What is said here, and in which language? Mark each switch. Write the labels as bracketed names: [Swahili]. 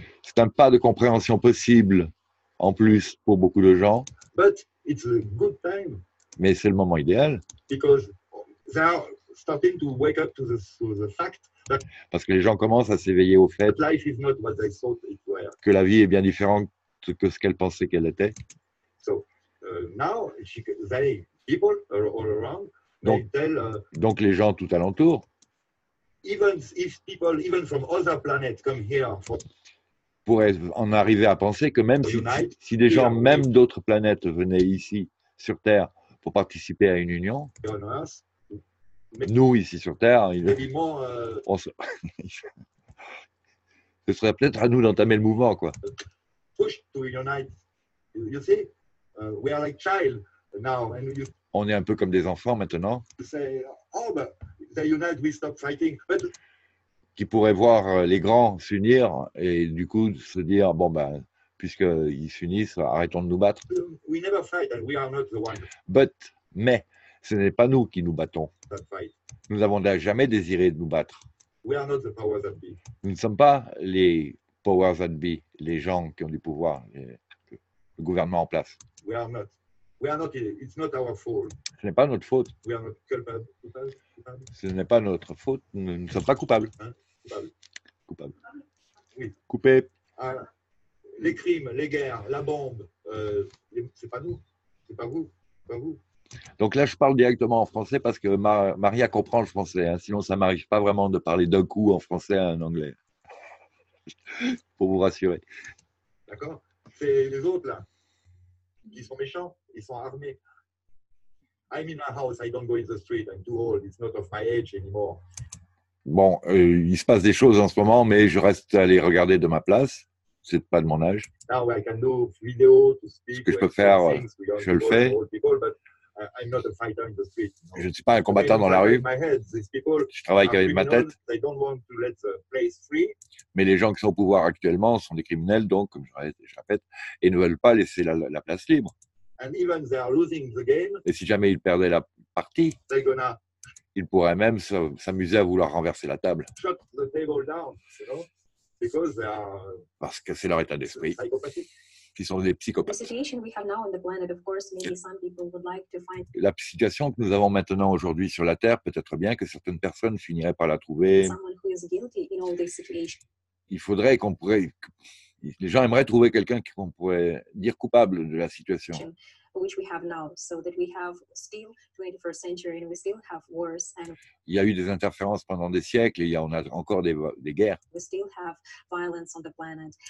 [French] C'est un pas de compréhension possible en plus pour beaucoup de gens. [English] But it's a good time. [French] Mais c'est le moment idéal. [English] Because they are starting to wake up to the fact that. [French] Parce que les gens commencent à s'éveiller au fait. [English] Life is not what they thought it were. [French] Que la vie est bien différente que ce qu'elles pensaient qu'elle était. [English] So now they people are all around. [French] Donc, [English] they tell, [French] donc les gens tout alentour. [English] Even if people, even from other planets, come here for. [French] Pourrait en arriver à penser que même si des gens, même d'autres planètes, venaient ici sur Terre pour participer à une union. Nous ici sur Terre, ce serait peut-être à nous d'entamer le mouvement, quoi. [English] Push to unite. You see, we are like child now, and you. [French] On est un peu comme des enfants maintenant. [English] They unite, we stop fighting. But [French] qui pourrait voir les grands s'unir et du coup se dire bon ben puisque ils s'unissent arrêtons de nous battre. [English] We never fight and we are not the one. [French] Mais ce n'est pas nous qui nous battons. Nous n'avons jamais désiré de nous battre. [English] We are not the powers that be. [French] Nous ne sommes pas les [English] powers that be, [French] les gens qui ont du pouvoir, le gouvernement en place. [English] We are not. It's not our fault. [French] Ce n'est pas notre faute. [English] We are not culpable. [French] Ce n'est pas notre faute. Nous ne sommes pas coupables. Hein? Coupable. Oui. Coupé. Ah, les crimes, les guerres, la bombe. C'est pas nous. C'est pas vous. Donc là, je parle directement en français parce que Maria comprend le français. Hein, sinon, ça m'arrive pas vraiment de parler d'un coup en français à un anglais. Pour vous rassurer. D'accord. C'est les autres là. Ils sont méchants. Ils sont armés. [English] I'm in a house, I don't go in the street, I'm too old, it's not of my age anymore. [French] Bon, il se passe des choses en ce moment, mais je reste allé regarder de ma place, c'est pas de mon âge. [English] Now I can do video to speak. [French] Ce que je peux faire, je le fais. [English] I'm not a fighter in the street. No. [French] Je ne suis pas un combattant dans la rue. [English] My head, these people, [French] je travaille qu'avec ma tête. [English] They don't want to let the place free. [French] Mais les gens qui sont au pouvoir actuellement sont des criminels, donc, comme je répète, et ne veulent pas laisser la place libre. [English] And even they are losing the game, [French] et si jamais ils perdaient la partie, ils pourraient même s'amuser à vouloir renverser la table. [English] Shut the table down, you know, because they are. [French] Parce que c'est leur état d'esprit. Qui sont des psychopathes. [English] The situation we have now on the planet, of course, maybe some people would like to find. [French] La situation que nous avons maintenant aujourd'hui sur la Terre, peut-être bien que certaines personnes finiraient par la trouver. [English] Someone who is guilty in all this situation. [French] Il faudrait qu'on pourrait. Les gens aimeraient trouver quelqu'un qu'on pourrait dire coupable de la situation. Il y a eu des interférences pendant des siècles et on a encore des guerres. [English] We still have violence on the planet.